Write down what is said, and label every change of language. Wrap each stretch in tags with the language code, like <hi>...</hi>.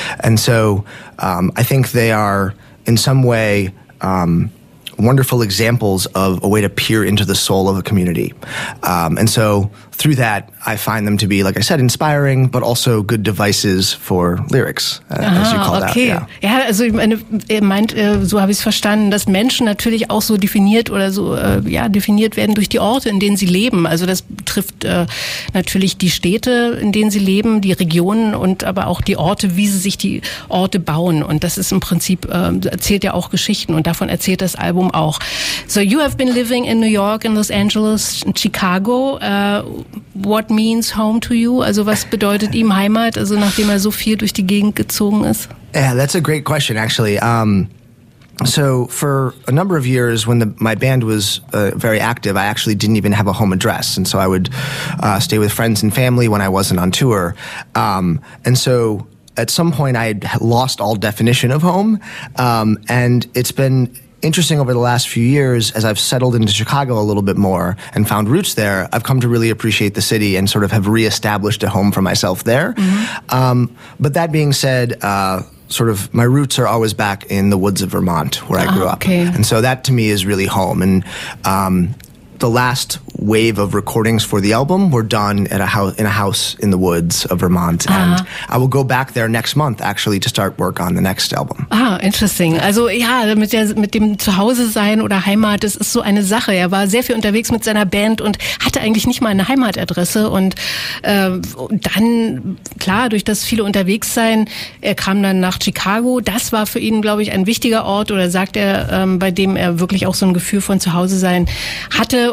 <en>And so I think they are in some way wonderful examples of a way to peer into the soul of a community. And so through that, I find them to be, like I said, inspiring, but also good devices for lyrics, as you call okay. that.</en> <de>Yeah. Ja, also er meint, so habe ich es verstanden, dass Menschen natürlich auch so definiert oder so ja, definiert werden durch die Orte, in denen sie leben. Also das betrifft natürlich die Städte, in denen sie leben, die Regionen und aber auch die Orte, wie sie sich die Orte bauen. Und das ist im Prinzip, erzählt ja auch Geschichten, und davon erzählt das Album auch.</de> <en>So you have been living in New York, in Los Angeles, in Chicago. What means home to you?</en> <de>Also was bedeutet ihm Heimat, also nachdem er so viel durch die Gegend gezogen ist?</de> <en>Yeah, that's a great question, actually. So for a number of years, when my band was very active, I actually didn't even have a home address. And so I would stay with friends and family when I wasn't on tour. And so at some point, I had lost all definition of home. And it's been interesting over the last few years, as I've settled into Chicago a little bit more and found roots there, I've come to really appreciate the city and sort of have reestablished a home for myself there. Mm-hmm. But that being said, sort of my roots are always back in the woods of Vermont, where I grew up. Okay. And so that to me is really home. And the last wave of recordings for the album were done at a house in a house in the woods of Vermont, and I will go back there next month actually to start work on the next album. Ah, interesting.</en> <de>Also ja, mit dem Zuhause sein oder Heimat, das ist so eine Sache. Er war sehr viel unterwegs mit seiner Band und hatte eigentlich nicht mal eine Heimatadresse, und dann klar, durch das viele unterwegs sein, er kam dann nach Chicago. Das war für ihn, glaube ich, ein wichtiger Ort, oder sagt er, bei dem er wirklich auch so ein Gefühl von Zuhause sein hatte.</de>